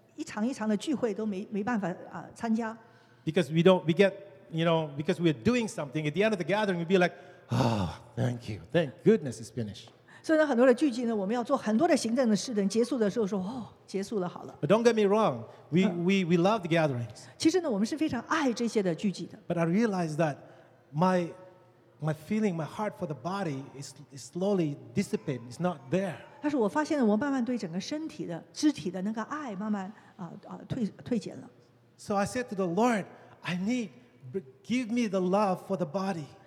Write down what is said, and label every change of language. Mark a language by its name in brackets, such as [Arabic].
[Chinese] 因为呢，在很多的聚集当中呢，我们需要做很多的行政啊，所以甚至呢是呢那个聚集的一场一场的聚会都没办法参加。 [English] Because we don't, we get you know because we're doing something at the end of the gathering, we'd be like. Oh, thank you. Thank goodness it's finished. So, many [Chinese] 聚集呢，我们要做很多的行政的事等结束的时候说哦，结束了，好了。 [English] But don't get me wrong. We love the gatherings. [Chinese] 其实呢，我们是非常爱这些的聚集的。 [English] But I realize that my feeling, my heart for the body is slowly dissipating. It's not there. [Chinese] 但是我发现呢，我慢慢对整个身体的肢体的那个爱慢慢退减了。 [English] So I said to the Lord, I need give me the love for the body.